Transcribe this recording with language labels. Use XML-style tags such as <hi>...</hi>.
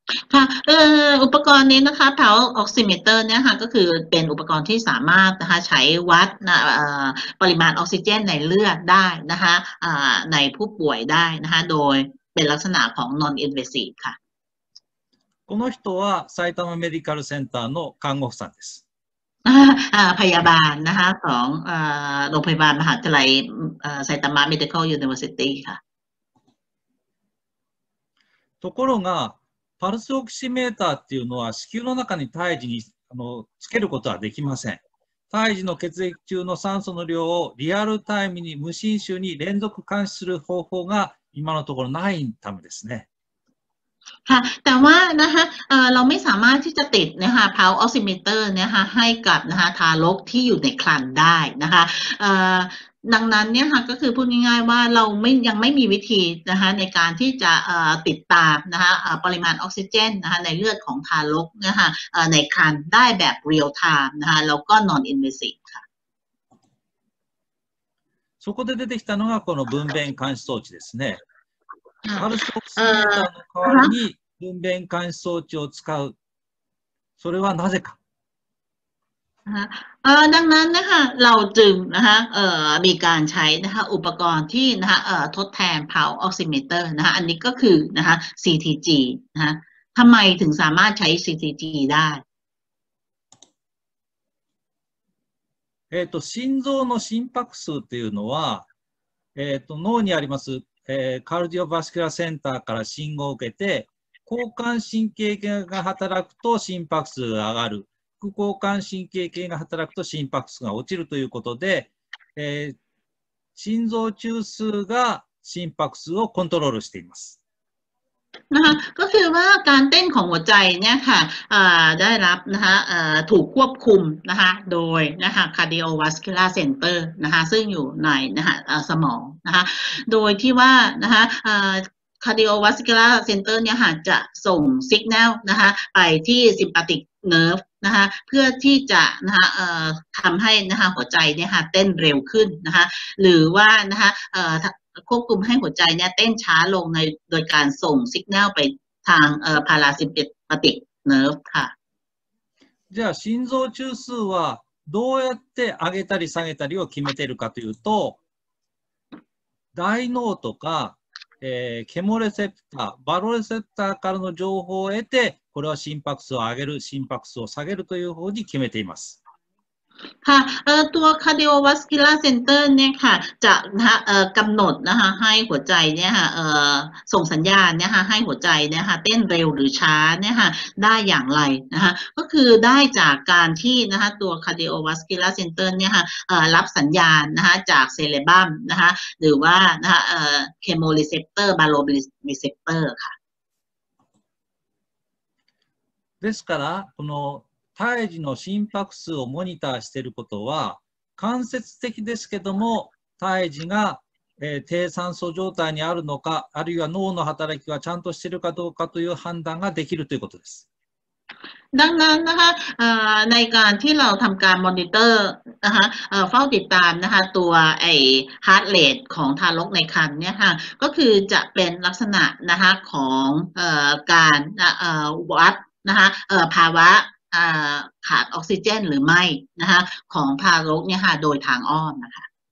<th>ค่ะอุปกรณ์นี้นะคะเพาออกซิเมเตอร์เนี่ยค่ะก็คือเป็นอุปกรณ์ที่สามารถนะคะใช้วัดนะปริมาณออกซิเจนในเลือดได้นะคะในผู้ป่วยได้นะคะโดยเป็นลักษณะของ non invasive ค่ะ</th> <ja>この人は埼玉メディカルセンターの看護婦さんです。 ค</ja> <th>พยาบาลนะคะของโรงพยาบาลมหาวิทยาลัยไซตามะ Medical University ค่ะ</th> <ja>ところがパルスオキシメーターっていうのは子宮の中に胎児につけることはできません。胎児の血液中の酸素の量をリアルタイムに無侵襲に連続監視する方法が今のところないためですね。</ja> <th>ค่ะแต่ว่านะคะเราไม่สามารถที่จะติดนะคะ pulse oximeter นะคะให้กับนะคะทารกที่อยู่ในครรภ์ได้นะคะดังนั้นเนี่ยค่ะก็คือพูดง่ายๆว่าเราไม่ยังไม่มีวิธีนะคะในการที่จะติดตามนะคะปริมาณออกซิเจนนะคะในเลือดของทารกนะคะในครรภ์ได้แบบ real time นะคะแล้วก็ non invasive ค่ะ</th> <ja>そこで出てきたのがこの分娩監視装置ですね。パルスオキシメーターの代わりに分娩監視装置を使う。それはなぜか。</ja> <th>ดังนั้นนะคะเราจึงนะคะมีการใช้นะคะอุปกรณ์ที่นะคะทดแทนพาวออกซิเมเตอร์นะคะอันนี้ก็คือนะคะ CTG นะคะทำไมถึงสามารถใช้ CTG ได้</th> <ja>心臓の心拍数っていうのは脳にありますカルディオバスキュラーセンターから信号を受けて交感神経系が働くと心拍数が上がる副交感神経系が働くと心拍数が落ちるということで心臓中枢が心拍数をコントロールしています</ja> <th>นะคะก็คือว่าการเต้นของหัวใจเนี่ยค่ะได้รับนะคะถูกควบคุมนะคะโดยนะคะ cardiovascular center นะคะซึ่งอยู่ในนะคะสมองนะคะโดยที่ว่านะคะ cardiovascular center เนี่ยค่ะจะส่งสัญญาณนะคะไปที่ sympathetic nerve นะคะเพื่อที่จะนะคะทำให้นะคะหัวใจเนี่ยค่ะเต้นเร็วขึ้นนะคะหรือว่านะคะควบคุมให้หัวใจเนี่ยเต้นช้าลงในโดยการส่งสัญญาณไปทางพาราซิมเปติกเนิร์ฟค่ะ</th> <ja>じゃあ心臓中枢はどうやって上げたり下げたりを決めているかというと大脳とかケモレセプターバロレセプターからの情報を得てこれは心拍数を上げる心拍数を下げるという方に決めています</ja> <th>ค่ะตัว cardiovascular center เนี่ยค่ะจะนะคะกำหนดนะคะให้หัวใจเนี่ยค่ะส่งสัญญาณเนี่ยค่ะให้หัวใจเนี่ยค่ะเต้นเร็วหรือช้าเนี่ยค่ะได้อย่างไรนะคะก็คือได้จากการที่นะคะตัว cardiovascular center เนี่ยค่ะรับสัญญาณนะคะจากเซเลบัมนะคะหรือว่านะคะchemoreceptor baroreceptor ค่ะ</th> <ja>ですからこの胎児の心拍数をモニターしていることは間接的ですけども胎児が、低酸素状態にあるのかあるいは脳の働きがちゃんとしているかどうかという判断ができるということです</ja> <th>ดังนั้นนะคะในการที่เราทำการมอนิเตอร์นะคะเฝ้าติดตามนะคะตัวไอ้ฮาร์ทเรทของทารกในครรภ์เนี่ยค่ะก็คือจะเป็นลักษณะนะคะของการวัดนะคะภาวะขาดออกซิเจนหรือไม่นะคะของทารกเนี่ยค่ะโดยทางอ้อมนะคะ</th>